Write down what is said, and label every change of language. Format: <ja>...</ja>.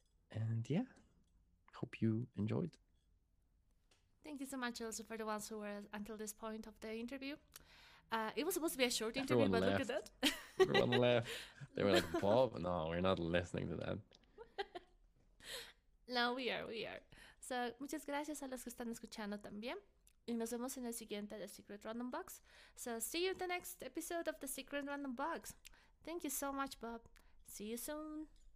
<en>And yeah, hope you enjoyed. Thank you so much also for the ones who were until this point of the interview. It was supposed to be a short interview, Everyone but look at left. Everyone left. They were like, that. Bob, no, we're not listening to that. No, we are.</en> <es>So, muchas gracias a los que están escuchando también. Y nos vemos en el siguiente de Secret Random Box.</es> <en>So, see you in the next episode of the Secret Random Box. Thank you so much, Bob. See you soon.</en>